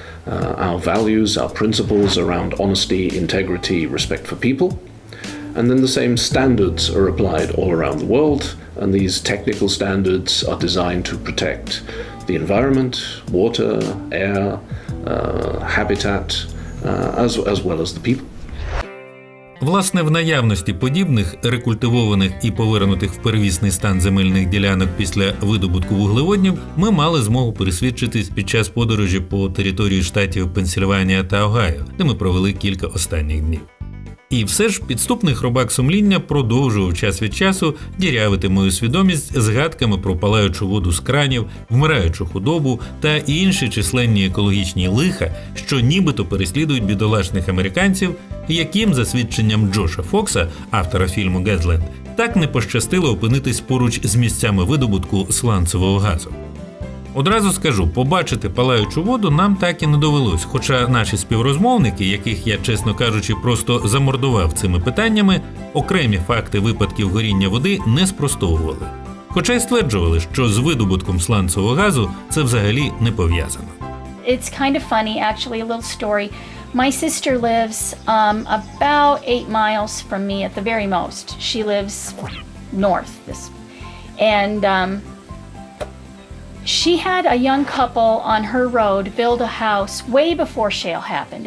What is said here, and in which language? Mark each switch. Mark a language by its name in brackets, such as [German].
[English] our values, our principles around honesty, integrity, respect for people. And then the same standards are applied all around the world, and these technical standards are designed to protect the environment, water, air, habitat, as well as the people. [Ukrainian] Власне, в наявності подібних рекультивованих і повернутих в первісний стан земельних ділянок після видобутку вуглеводнів ми мали змогу пересвідчитись під час подорожі по території штатів Пенсільванія та Огайо, де ми провели кілька останніх днів. І все ж підступний хробак сумління продовжував час від часу дірявити мою свідомість згадками про палаючу воду з кранів, вмираючу худобу та інші численні екологічні лиха, що нібито переслідують бідолашних американців, яким, за свідченням Джоша Фокса, автора фільму «Гетленд», так не пощастило опинитись поруч з місцями видобутку сланцевого газу. Одразу скажу, побачити палаючу воду нам так і не довелось, хоча наші співрозмовники, яких я, чесно кажучи, просто замордував цими питаннями, окремі факти випадків горіння води не спростовували. Хоча й стверджували, що з видобутком сланцевого газу це взагалі не пов'язано. [English] It's kind of funny, actually, a little story. My sister lives about 8 miles from me at the very most. She lives north. She had a young couple on her road build a house way before shale happened.